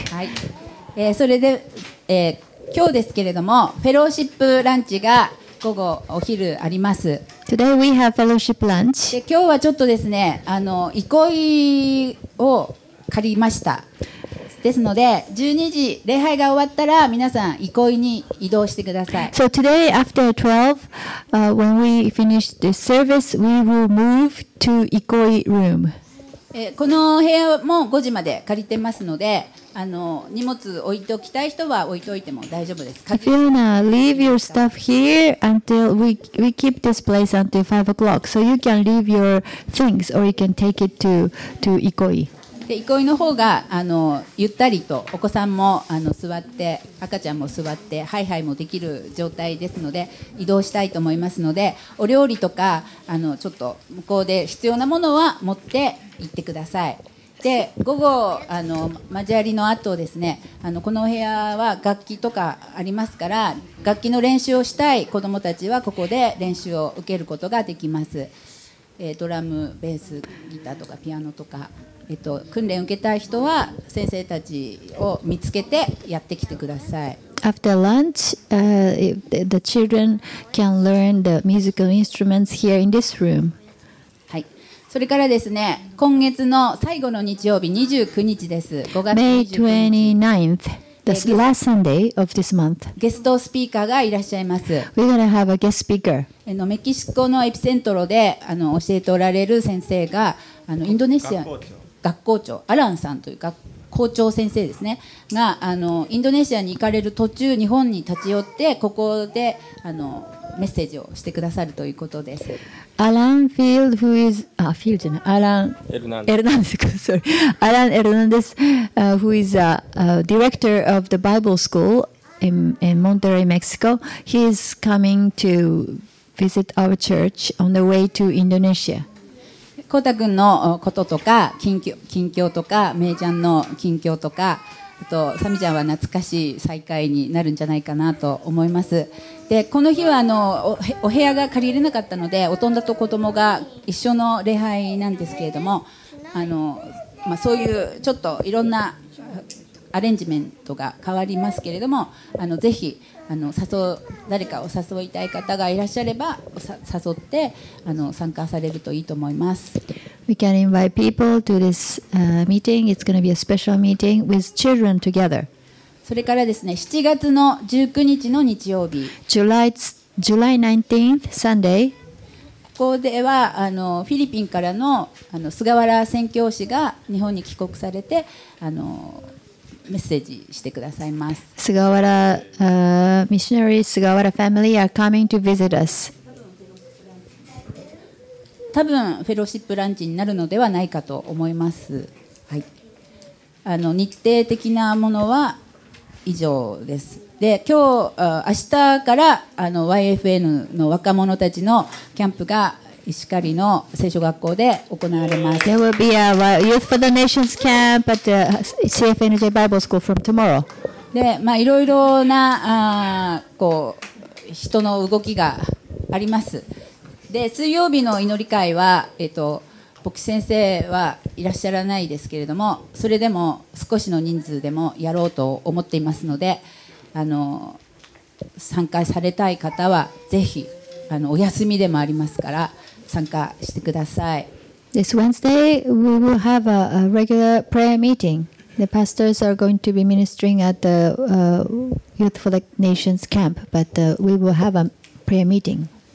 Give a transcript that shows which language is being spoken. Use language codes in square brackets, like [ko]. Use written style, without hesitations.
[ja] はい、それで、今日ですけれどもフェローシップランチが午後お昼あります。 [en] Today we have fellowship lunch。 [ja] で今日はちょっとですね、憩いを借りました。ですので12時礼拝が終わったら皆さん憩いに移動してください。 [en] So today after 12, when we finish the service, we will move to 憩い room. [ja] この部屋も5時まで借りてますので、荷物置いておきたい人は置いておいても大丈夫です。 [en] If you wanna leave your stuff here until we keep this place until 5 o'clock, so you can leave your things or you can take it to Ikoi. [ja] で、Ikoiの方がゆったりとお子さんも座って、赤ちゃんも座って、ハイハイもできる状態ですので、移動したいと思いますので、お料理とかちょっと向こうで必要なものは持って行ってください。で午後交わりの後ですね、このお部屋は楽器とかありますから、楽器の練習をしたい子どもたちはここで練習を受けることができます。ドラム、ベース、ギターとかピアノとか、訓練を受けたい人は先生たちを見つけてやってきてください。 [en] After lunch, the children can learn the musical instruments here in this room. [ja] それからですね、今月の最後の日曜日29日です。 5月29日。 [en] May 29th, the last Sunday of this month. [ja] ゲストスピーカーがいらっしゃいます。 [en] We're gonna have a guest speaker. [ja] メキシコのエピセントロで教えておられる先生が、インドネシア学校長、アランさんという校長先生ですね、がインドネシアに行かれる途中、日本に立ち寄って、ここでメッセージをしてくださるということです。 [en] アラン・フィールド、 [ja] フィールドじゃない、 [en] アラン・エルナンデス、アラン・エルナンデス、who is a director of the Bible school in Monterrey, Mexico. He is coming to visit our church on the way to Indonesia. [ja] コータ君のこととか、近況とか、メイちゃんの近況とか、あとサミちゃんは懐かしい再会になるんじゃないかなと思います。でこの日はお部屋が借りれなかったので、大人と子供が一緒の礼拝なんですけれども、まあ、そういうちょっといろんなアレンジメントが変わりますけれども、ぜひ誰かを誘いたい方がいらっしゃれば誘って参加されるといいと思います。 [en] We can invite people to this meeting. It's going to be a special meeting with children together. [ja] それからですね、7月の19日の日曜日、 [en] July 19th, Sunday. [ja] ここではフィリピンから の菅原宣教師が日本に帰国されてメッセージしてくださいます。 [en] 菅原、missionary 菅原 family are coming to visit us. [ja] 多分フェローシップランチになるのではないかと思います、はい、日程的なものは以上です。で今日明日から YFN の若者たちのキャンプが石狩の聖書学校で行われます。 [en] There will be a Youth for the Nations camp at the CFNJ Bible School from tomorrow. [ja] で、まあ、いろいろな人の動きがあります。で水曜日の祈り会は、牧師先生はいらっしゃらないですけれども、それでも少しの人数でもやろうと思っていますので、参加されたい方はぜひお休みでもありますから参加してください。 [en] This Wednesday we will have a regular prayer meeting. The pastors are going to be ministering at the Youth for the Nations camp, but we will have a prayer meeting.